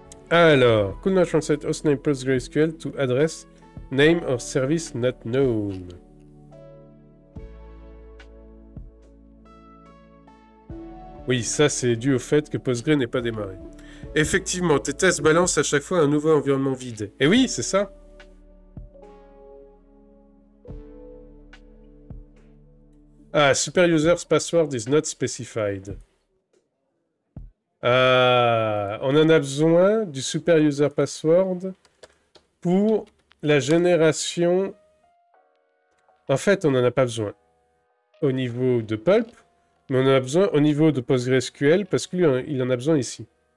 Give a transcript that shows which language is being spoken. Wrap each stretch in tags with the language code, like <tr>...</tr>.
<en>Alors, could not translate host name plus GraySQL to address name or service not known.</en> <fr>Oui, ça, c'est dû au fait que Postgre n'est pas démarré. Effectivement, tes tests balancent à chaque fois un nouveau environnement vide. Et oui, c'est ça.</fr> <en>Ah, super user's password is not specified.</en> <fr>On en a besoin du super user password pour la génération. En fait, on n'en a pas besoin au niveau de Pulp, mais on en a besoin au niveau de PostgreSQL parce que lui, il en a besoin ici.</fr>